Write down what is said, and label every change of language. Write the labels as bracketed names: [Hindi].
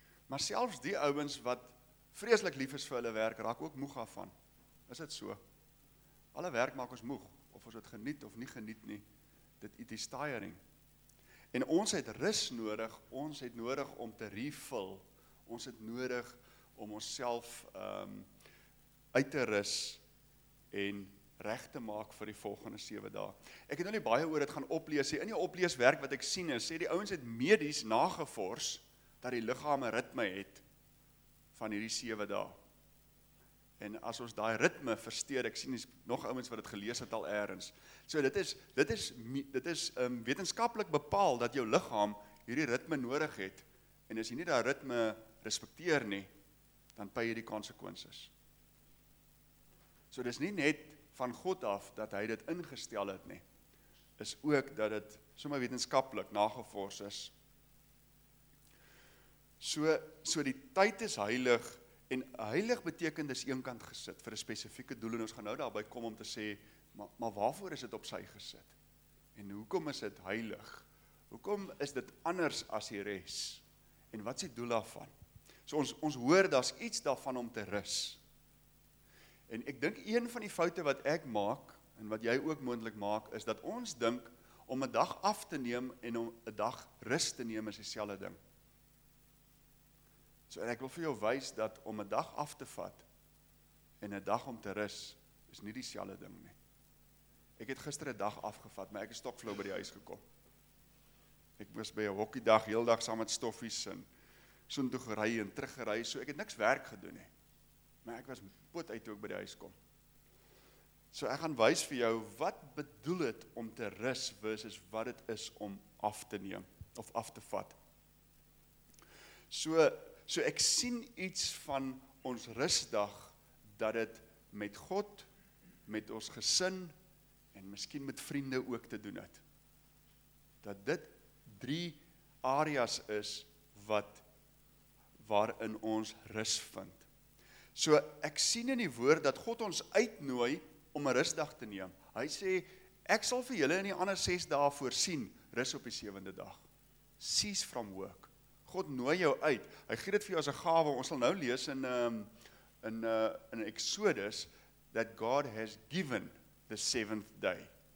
[Afrikaans] Maar selfs die ouens wat vreeslik lief is vir hulle werk, raak ook moeg af van. Is dit so? Alle werk maak ons moeg, of ons het geniet of nie geniet nie. [English] It is tiring. [Afrikaans] En ons het rus nodig, ons het nodig om te refill, ons het nodig om onsself uit te rus en reg te maak vir die volgende 7 dae. Ek het nou nie baie oor dit gaan oplees nie. In die opleeswerk wat ek sien is, sê die ouens het medies nagevors dat die liggaam 'n ritme het van hierdie 7 dae. En as ons daai ritme versteur, ek sien nog ouens wat dit gelees het al eers. So dit is wetenskaplik bepaal dat jou liggaam hierdie ritme nodig het. En as jy nie daai ritme respekteer nie, dan pay jy die konsekwensies. So dis nie net van God af dat hy dit ingestel het nie, is ook dat dit sommer wetenskaplik nagevors is. So die tyd is heilig, en heilig beteken dis eenkant gesit vir 'n spesifieke doel, en ons gaan nou daarby kom om te sê, maar waarvoor is dit op sy gesit? En hoekom is dit heilig? Hoekom is dit anders as die res? En wat is die doel daarvan? So ons hoor daar's iets daarvan om te rus. En ek dink een van die foute wat ek maak, en wat jy ook moontlik maak, is dat ons dink om 'n dag af te neem en om 'n dag rus te neem is dieselfde ding. So ek wil vir jou wys dat om 'n dag af te vat en 'n dag om te rus, is nie dieselfde ding nie. Ek het gister 'n dag afgevat, maar ek het stokflou by die huis gekom. Ek was by 'n hokkiedag, heel dag saam met stoffies en so toe gery en terug gery, so ek het niks werk gedoen nie. Maar ek was poot uit toe ek by die huis kom. So ek gaan wys vir jou wat bedoel het om te rus versus wat dit is om af te neem of af te vat. So ek sien iets van ons rusdag dat dit met God, met ons gesin en miskien met vriende ook te doen het. Dat dit 3 areas is waarin ons rus vind. So ek sien in die woord dat God ons uitnooi om 'n rusdag te neem. Hy sê, ek sal vir julle in die ander 6 dae voorsien, rus op die 7de dag. [English] Cease from work. [Afrikaans] God nooi jou uit. Hy gee dit vir jou as 'n gawe. Ons sal nou lees in Exodus, [English] that God has given the 7th day.